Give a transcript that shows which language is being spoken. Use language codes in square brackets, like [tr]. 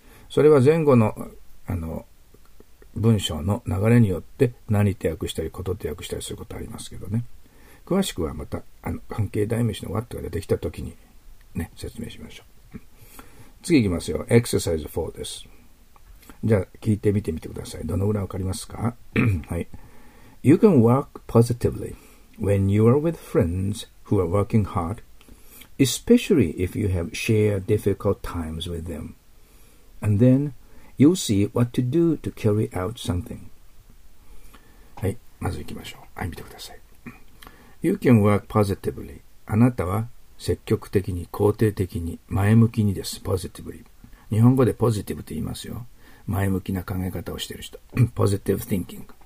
[ja] それは前後の、文章の流れによって何と訳したりことと訳したりすることありますけどね。詳しくはまた、関係代名詞の what が出てきた時にね、説明しましょう。次行きますよ。エクササイズ4です。じゃあ、聞いてみてみてください。どのぐらいわかりますか？はい。 [en] You can work positively when you are with friends who are working hard, especially if you have shared difficult times with them. And then you'll see what to do to carry out something. [ja] はい、まず行きましょう。はい、見てください。 [en] You can work positively. [ja] あなたは積極的に、肯定的に、前向きにです。 [en] Positively. [ja] 日本語でポジティブと言いますよ。前向きな考え方をしている人。 [en] Positive thinking.